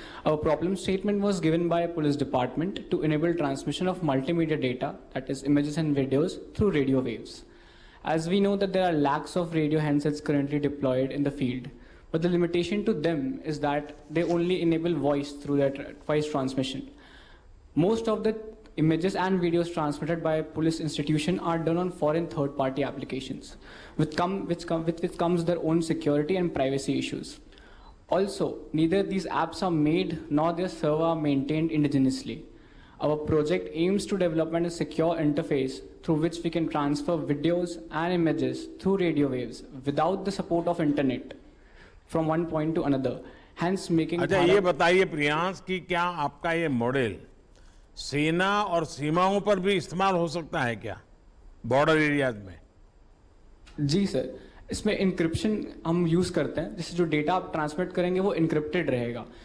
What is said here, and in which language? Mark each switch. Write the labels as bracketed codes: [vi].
[en] Our problem statement was given by police department to enable transmission of multimedia data, that is images and videos, through radio waves. As we know that there are lacks of radio handsets currently deployed in the field, but the limitation to them is that they only enable voice through that voice transmission. Most of the images and videos transmitted by police institution are done on foreign third-party applications, which comes their own security and privacy issues. Also, neither these apps are made nor their server are maintained indigenously. Our project aims to develop a secure interface through which we can transfer videos and images through radio waves without the support of internet from one point to another. Hence, making. [hi] अच्छा, ये बताइए प्रियांश कि क्या आपका ये model सेना और सीमाओं पर भी इस्तेमाल हो सकता है क्या, बॉर्डर एरियाज में? जी सर, इसमें इंक्रिप्शन हम यूज करते हैं, जिससे जो डेटा आप ट्रांसमिट करेंगे वो इंक्रिप्टेड रहेगा।